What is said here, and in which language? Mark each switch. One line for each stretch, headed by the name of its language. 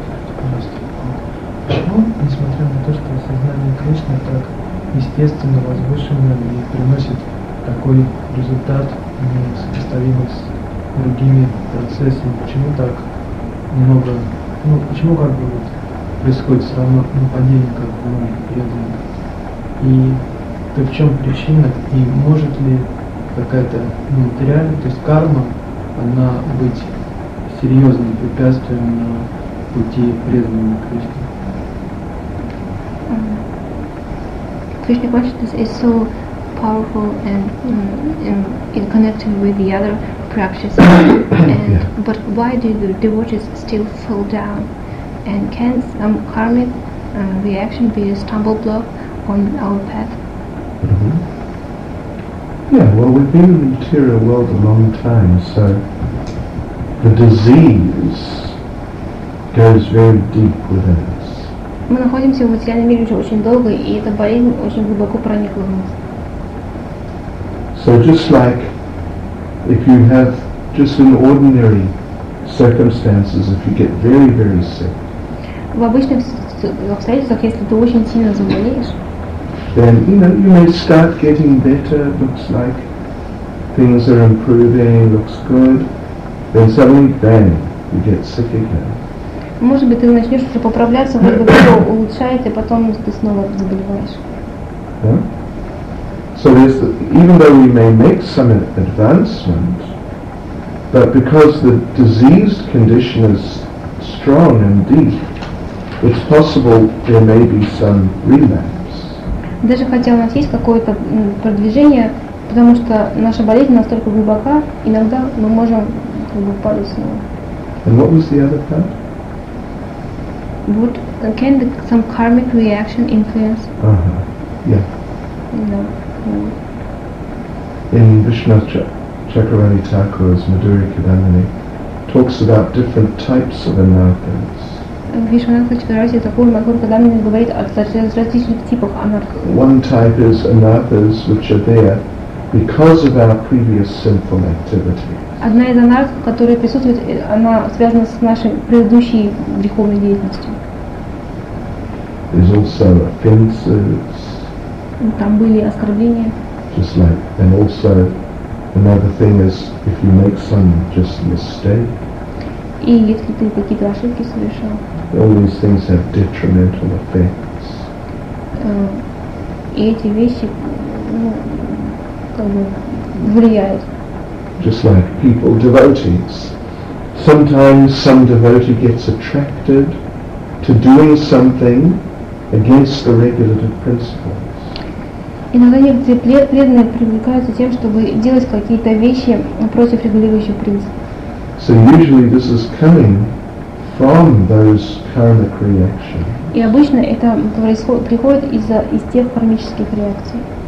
Russian: Почему, несмотря на то, что сознание Кришны так естественно возвышено и приносит такой результат, несопоставимый с другими процессами, почему так много, ну почему как бы вот происходит все равно нападение, как бы мы преданы? И то в чем причина, и может ли какая-то материальная, то есть карма, она быть серьезным препятствием на пути преданного Кришны?
English: Krishna consciousness is so powerful and in connecting with the other practices. But why do the devotees still fall down? And can some karmic reaction be a stumble block on our path? Mm-hmm. Yeah, well, we've been in the material world a long time, so the disease goes very deep within us.
Russian: Мы находимся в материальном мире уже очень долго, и эта болезнь очень глубоко проникла в нас.
English: So just like if you have just in ordinary circumstances, if you get very, very sick.
Russian: В обычных обстоятельствах, если ты очень сильно заболеешь,
English: then you know you may start getting better. Looks like things are improving. Looks good. Then suddenly, bang, you get sick again.
Russian: Может быть, ты начнешь уже поправляться, вроде бы все улучшается, а потом ты снова заболеваешь.
English: Yeah. So there's the, even though we may make some advancement, but because the diseased condition is strong and deep, it's possible there may be some relapse.
Russian: Даже хотя у нас есть какое-то продвижение, потому что наша болезнь настолько глубока, иногда мы можем как бы упасть снова.
English: And what was the other part? Would can the, some karmic reaction influence? In Vishnath Chakravani Thakur's Madhuri Kadamani talks about different types of anarthas.
Russian: Vishnath Chakravani Thakur Madhuri Kadamani говорит о различных типах анарх.
English: One type is anarthas which are there because of our previous sinful activity.
Russian: Одна из анарх, которая присутствует, она связана с нашей предыдущей греховной деятельностью.
English: There's also offenses.
Russian: Там были оскорбления.
English: Just like, and also another thing is if you make some just mistake.
Russian: И если ты какие-то ошибки совершал.
English: All these things have detrimental effects.
Russian: И эти вещи, ну, как бы влияют.
English: Just like people, devotees. Sometimes some devotee gets attracted to doing something against the regulative principles.
Russian: Иногда некоторые преданные привлекаются тем, чтобы делать какие-то вещи против регулирующих принципов.
English: So usually this is coming from those karmic reactions.
Russian: И обычно это приходит из тех кармических реакций.